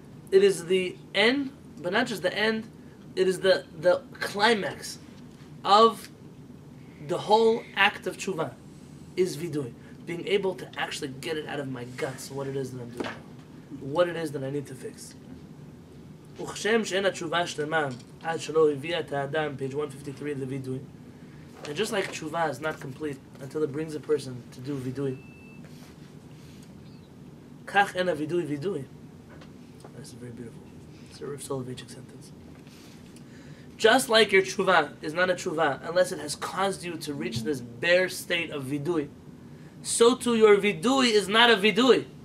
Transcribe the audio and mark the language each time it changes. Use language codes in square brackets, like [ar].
[en] It is the end, but not just the end, it is the climax of the whole act of tshuva, is vidui. Being able to actually get it out of my guts, what it is that I'm doing. What it is that I need to fix. [he] וכשם שאין התשובה שלמה עד שלא הביאה את האדם, page 153 לוידוי. [en] And just like תשובה is not complete until it brings a person to do וידוי. [he] כך אין הוידוי וידוי. [en] That's very beautiful. It's a Rav Soloveitchik sentence. Just like your תשובה is not a תשובה unless it has caused you to reach this bare state of וידוי, so too your וידוי is not a וידוי.